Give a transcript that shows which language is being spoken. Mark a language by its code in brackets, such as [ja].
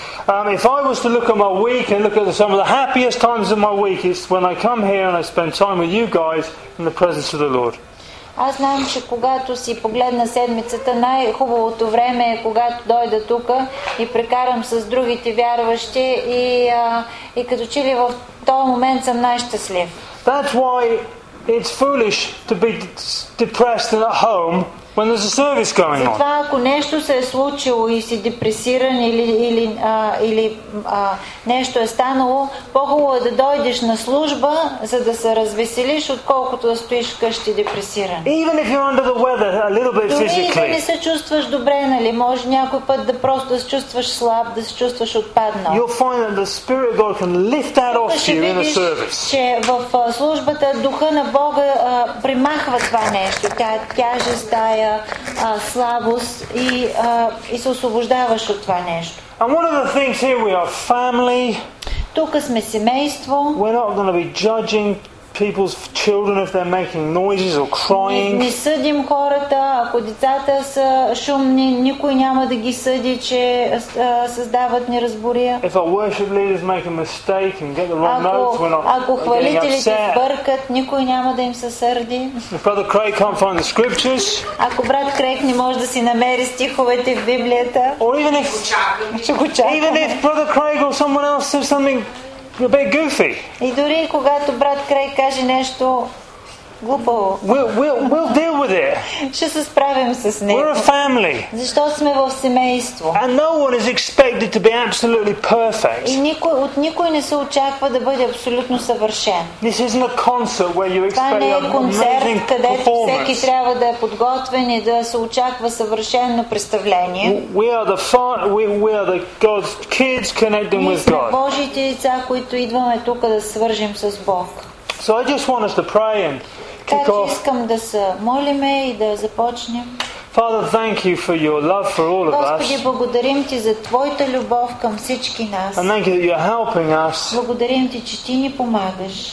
[en] If I was to look at my week and look at some of the happiest times of my week, it's when I come here and I spend time with you guys in the presence of the Lord. [bg] Аз знам, че когато си погледна седмицата, най-хубавото време е когато дойда тук и прекарам с другите вярващи и като че ли в този момент съм най-щастлив. [en] That's why it's foolish to be depressed and at home when there's a service going on. [bg] Затова ако нещо се е случило и си депресиран или нещо е станало, по-хубаво е да дойдеш на служба, за да се развеселиш, отколкото да стоиш вкъщи депресиран. [en] Even if you're under the weather a little bit physically. [bg] Дори и да не се чувстваш добре, нали, може някой път да просто да се чувстваш слаб, да се чувстваш отпаднал. [en] You'll find that the Spirit of God can lift that off you in a service. [bg] Тогава ще видиш, че в службата Духа на Бога премахва това нещо, тая тежест, слабост и се освобождаваш от това нещо. [en] And one of the things here, we are family. [bg] Тук сме семейство. [en] We're not going to be judging people's children if they're making noises or crying. [bg] Не съдим хората, ако децата са шумни, никой няма да ги съди, че създават неразбория. [en] If our worship leaders make a mistake and get the wrong notes, we're not getting upset. [bg] Ако хвалителите бъркат, никой няма да им се сърди. [en] If Brother Craig can't find the scriptures. [bg] Ако брат Крейг не може да си намери стиховете в Библията. [en] Or even if Brother Craig or someone else says something a bit goofy. [bg] И дори когато брат Крей каже нещо глупо, [en] we'll deal with it. [bg] Ще се справим с него. [en] We're a family. [bg] Защото сме в семейство. [en] And no one is expected to be absolutely perfect. [bg] И никой не се очаква да бъде абсолютно съвършен. [en] This isn't a concert where you expect an amazing performance. [bg] Това не е концерт, където всеки трябва да е подготвен и да се очаква съвършено представление. [en] We are the God's kids connecting with God. [bg] Ние сме Божиите деца, които идваме тук да свържим с Бог. [en] So I just want us to pray and kick off. [bg] Искам да се молиме и да започнем. [en] Father, thank you for your love for all of us. [bg] Господи, благодарим ти за твоята любов към всички нас. [en] And thank you that you're helping us. [bg] Благодарим ти, че ти ни помагаш.